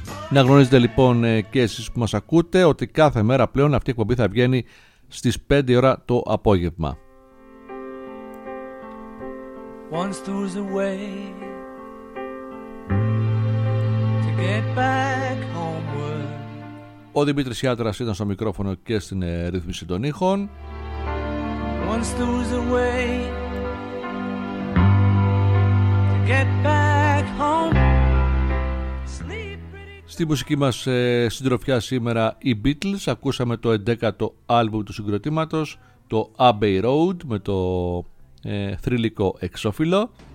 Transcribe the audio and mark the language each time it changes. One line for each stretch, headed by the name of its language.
Greek: Να γνωρίζετε λοιπόν και εσείς που μας ακούτε ότι κάθε μέρα πλέον αυτή η εκπομπή θα βγαίνει στις 5 ώρα το απόγευμα.
English: Once there was a way to get back homeward.
Greek: Ο Δημήτρης Ιάτρας ήταν στο μικρόφωνο και στην ρύθμιση των ήχων.
English: Once there was a way to get back home.
Greek: Στη μουσική μας συντροφιά σήμερα οι Beatles, ακούσαμε το 11ο άλμπουμ του συγκροτήματος, το Abbey Road, με το θρυλικό εξώφυλλο.